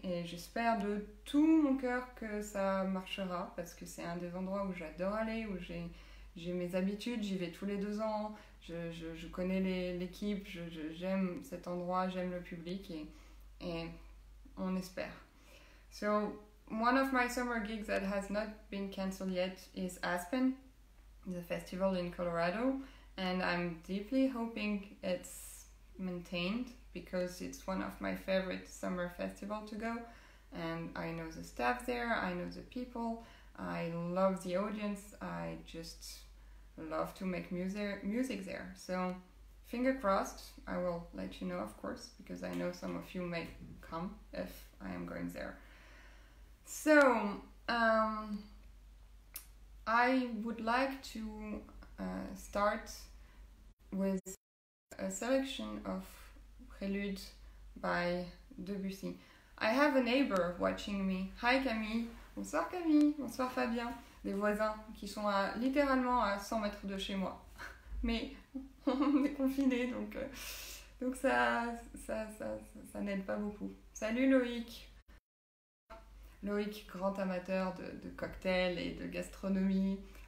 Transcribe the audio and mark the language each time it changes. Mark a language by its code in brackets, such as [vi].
[fr] Et j'espère de tout mon cœur que ça marchera, parce que c'est un des endroits où j'adore aller, où j'ai mes habitudes, j'y vais tous les deux ans, je connais l'équipe, j'aime cet endroit, j'aime le public et on espère. [en] So, one of my summer gigs that has not been cancelled yet is Aspen, the festival in Colorado, and I'm deeply hoping it's maintained because it's one of my favorite summer festivals to go, and I know the staff there, I know the people, I love the audience, I just love to make music there. So, finger crossed, I will let you know, of course, because I know some of you may come if I am going there. So, I would like to start with a selection of Prelude by Debussy. I have a neighbor watching me. Hi Camille. [fr] Bonsoir Camille. Bonsoir Fabien. Des voisins qui sont littéralement à 100 mètres de chez moi. Mais on est confinés donc, ça n'aide pas beaucoup. Salut Loïc. Loïc, grand amateur de cocktails et de gastronomie.